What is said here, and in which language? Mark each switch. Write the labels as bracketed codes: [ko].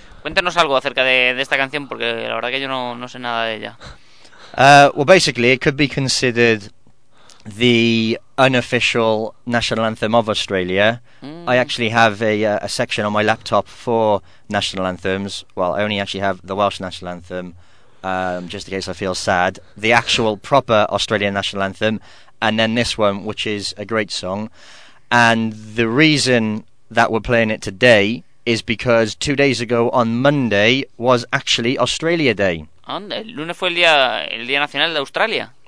[es] Cuéntanos algo acerca de esta canción, porque la verdad que yo no sé nada de ella. [en] Well, basically, it could be considered the unofficial national anthem of Australia. I actually have a section on my laptop for national anthems. Well, I only actually have the Welsh national anthem, just in case I feel sad. The actual proper Australian national anthem. And then this one, which is a great song. And the reason that we're playing it today is because 2 days ago on Monday was actually Australia Day. [es] ¿Dónde? El lunes fue el día nacional de Australia.